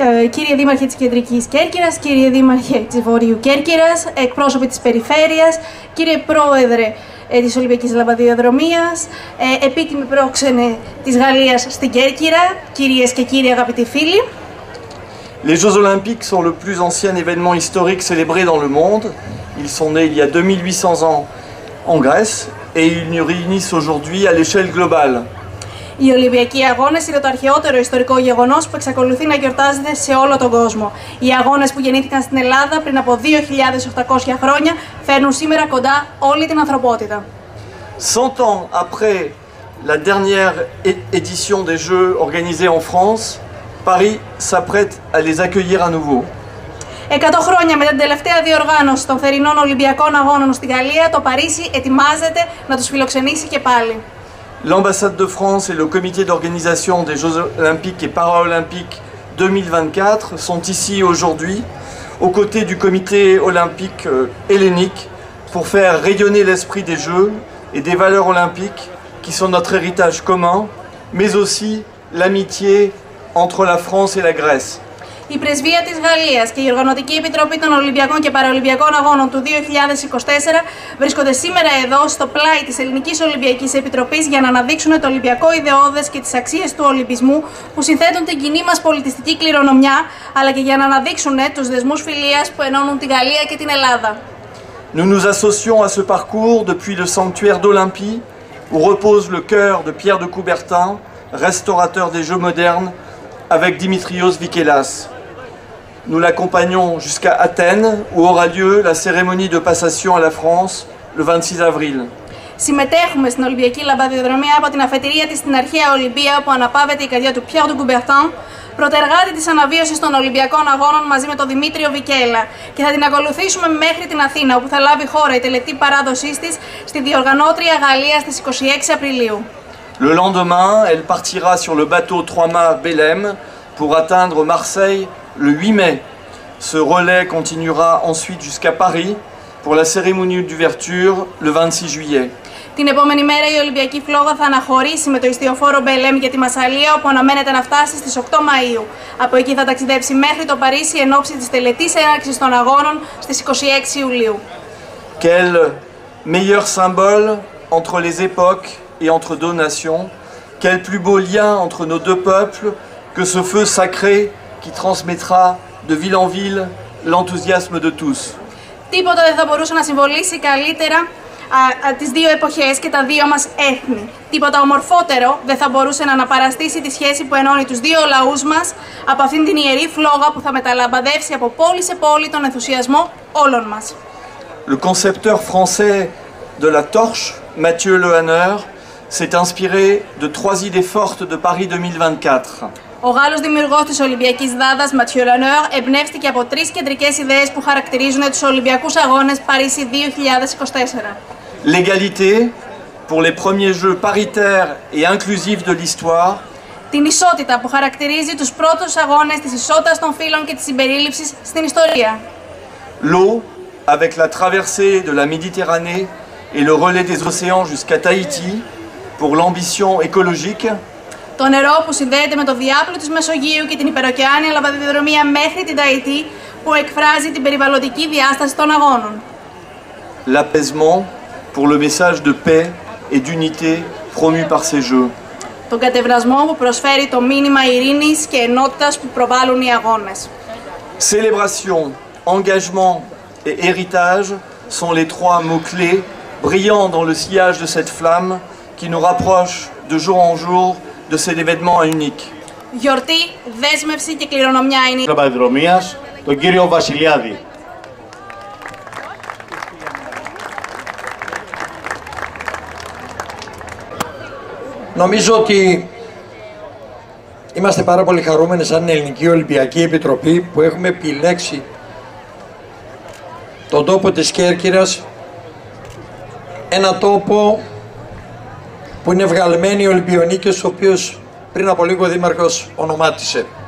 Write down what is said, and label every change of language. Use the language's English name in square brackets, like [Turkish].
[Greek] Κύριε Δήμαρχε της Κεντρικής Κέρκυρας, κύριε Δήμαρχε της Βόρειου Κέρκυρας, εκπρόσωποι της Περιφέρειας, κύριε Πρόεδρε της Ολυμπιακής Λαμπαδιοδρομίας, επίτιμη πρόξενε της Γαλλίας στην Κέρκυρα, κυρίες και κύριοι αγαπητοί φίλοι. [French] Les Jeux Olympiques sont le plus ancien événement historique célébré dans le monde. Ils sont nés il y a 2800 ans en Grèce et ils nous réunissent aujourd'hui à l'échelle globale. [Greek] Οι Ολυμπιακοί Αγώνες είναι το αρχαιότερο ιστορικό γεγονός που εξακολουθεί να γιορτάζεται σε όλο τον κόσμο. Οι αγώνες που γεννήθηκαν στην Ελλάδα πριν από 2.800 χρόνια φέρνουν σήμερα κοντά όλη την ανθρωπότητα. [French] 100 ans après la dernière édition des Jeux organisée en France, Paris s'apprête à les accueillir à nouveau. [Greek] 100 χρόνια μετά την τελευταία διοργάνωση των θερινών Ολυμπιακών Αγώνων στη Γαλλία, το Παρίσι ετοιμάζεται να τους φιλοξενήσει και πάλι. [French] L'ambassade de France et le comité d'organisation des Jeux Olympiques et Paralympiques 2024 sont ici aujourd'hui, aux côtés du comité olympique hellénique, pour faire rayonner l'esprit des Jeux et des valeurs olympiques qui sont notre héritage commun, mais aussi l'amitié entre la France et la Grèce. [Greek] Η Πρεσβεία της Γαλλίας και η Οργανωτική Επιτροπή των Ολυμπιακών και Παραολυμπιακών Αγώνων του 2024 βρίσκονται σήμερα εδώ στο πλάι της Ελληνικής Ολυμπιακής Επιτροπής για να αναδείξουν το Ολυμπιακό ιδεώδες και τις αξίες του Ολυμπισμού που συνθέτουν την κοινή μας πολιτιστική κληρονομιά, αλλά και για να αναδείξουν τους δεσμούς φιλίας που ενώνουν τη Γαλλία και την Ελλάδα. [French] Nous nous associons à ce parcours depuis le sanctuaire d'Olympie, où repose le cœur de Pierre de Coubertin, restaurateur des Jeux modernes. Avec Dimitrios Vikelas. nous l'accompagnons jusqu'à Athènes, où aura lieu la cérémonie de passation à la France le 26 avril. [Greek] Συμμετέχουμε στην Ολυμπιακή Λαμπαδιοδρομία από την αφετηρία της στην αρχαία Ολυμπία, όπου αναπαύεται η καρδιά του Πιέρ ντου Κουμπερτάν, πρωτεργάτη της αναβίωσης των Ολυμπιακών Αγώνων μαζί με τον Δημήτριο Βικέλα. Και θα την ακολουθήσουμε μέχρι την Αθήνα, όπου θα λάβει χώρα η τελετή παράδοσής της στη διοργανώτρια Γαλλία στις 26 Απριλίου. [French] Le lendemain, elle partira sur le bateau trois-mâts Belém pour atteindre Marseille le 8 mai. Ce relais continuera ensuite jusqu'à Paris pour la cérémonie d'ouverture le 26 juillet. [Greek] Την επόμενη μέρα η Ολυμπιακή Φλόγα θα αναχωρήσει με το ιστιοφόρο Μπελέμ για τη Μασσαλία, όπου αναμένεται να φτάσει στις 8 Μαΐου. Από εκεί θα ταξιδέψει μέχρι το Παρίσι εν ώψη της τελετής έναρξης των αγώνων στις 26 Ιουλίου. [French] Quel meilleur symbole entre les époques et entre deux nations, quel plus beau lien entre nos deux peuples que ce feu sacré qui transmettra de ville en ville l'enthousiasme de tous. [Greek] Τίποτα δεν θα μπορούσε να συμβολήσει καλύτερα τις δύο εποχές και τα δύο μας έθνη. Τίποτα ομορφότερο δεν θα μπορούσε να αναπαραστήσει τη σχέση που ενώνει τους δύο λαούς μας από αυτήν την ιερή φλόγα που θα μεταλαμπαδεύσει από πόλη σε πόλη τον ενθουσιασμό όλων μας. [French] Le concepteur français de la torche, Mathieu Lehanner, s'est inspiré de trois idées fortes de Paris 2024. [Greek] Ο Γάλλος δημιουργός της Ολυμπιακής Δάδας, Mathieu Lehanner, εμπνεύστηκε από τρεις κεντρικές ιδέες που χαρακτηρίζουν τους Ολυμπιακούς Αγώνες Παρίσι 2024. [French] L'égalité pour les premiers jeux paritaires et inclusifs de l'histoire. [Greek] Την ισότητα που χαρακτηρίζει τους πρώτους αγώνες της ισότητας των φύλων και της συμπερίληψης στην ιστορία. [French] L'eau avec la traversée de la Méditerranée et le relais des océans jusqu'à Tahiti pour l'ambition écologique. [Greek] Το νερό που συνδέεται με το διάπλο της Μεσογείου και την υπεροκεάνια λαμπαδιοδρομία μέχρι την Ταϊτή που εκφράζει την περιβαλλοντική διάσταση των αγώνων. [French] L'apaisement pour le message de paix et d'unité promu par ces jeux. [Greek] Τον κατευνασμό που προσφέρει το μήνυμα ειρήνης και ενότητας που προβάλλουν οι αγώνες. [French] Célébration, engagement et héritage sont les trois mots-clés brillants dans le sillage de cette flamme qui nous rapproche de jour en jour de cet événement unique. [Greek] Γιορτή, δέσμευση και κληρονομιά είναι η Λαμπαδιοδρομίας, τον κύριο Βασιλιάδη. Νομίζω ότι είμαστε πάρα πολύ χαρούμενοι σαν Ελληνική Ολυμπιακή Επιτροπή που έχουμε επιλέξει τον τόπο της Κέρκυρας, ένα τόπο που είναι βγαλμένη η Ολυμπιονίκη, ο οποίος πριν από λίγο ο Δήμαρχος ονομάτισε.